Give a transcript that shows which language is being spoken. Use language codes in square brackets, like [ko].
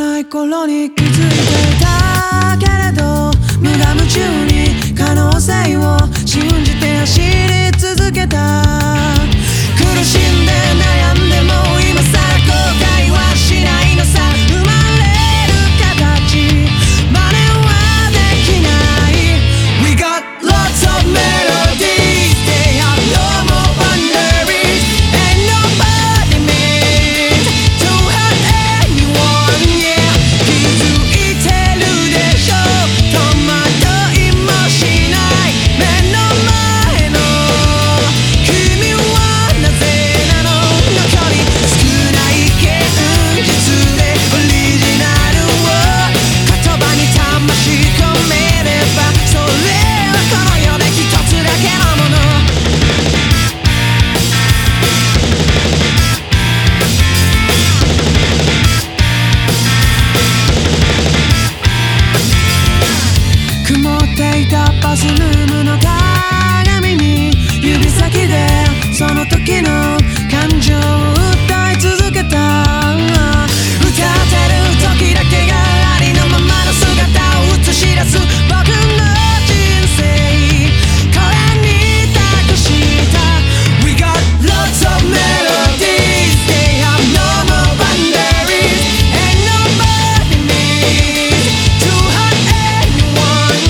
[ja] 心に気づいてたけれど、無我夢中に可能性を信じて走り続けた。苦しんで悩んでも今さら後悔はしないのさ。生まれる形真似はできない。 [en] We got lots of melodies. They have no more boundaries. Ain't nobody meant to hurt anyone. Yeah. [ja] 気づいてるでしょ、戸惑いもしない。目の前の君はなぜなの。残り少ない現実でオリジナルを言葉に魂込めれば、それはこの世で一つだけのもの。曇っていたバスルームの鏡に指先でその時の感情を訴え続けた。歌ってる時だけがありのままの姿を映し出す僕の人生、これに託した。 [en] We got lots of melodies. They have no more boundaries. Ain't nobody needs to hurt anyone.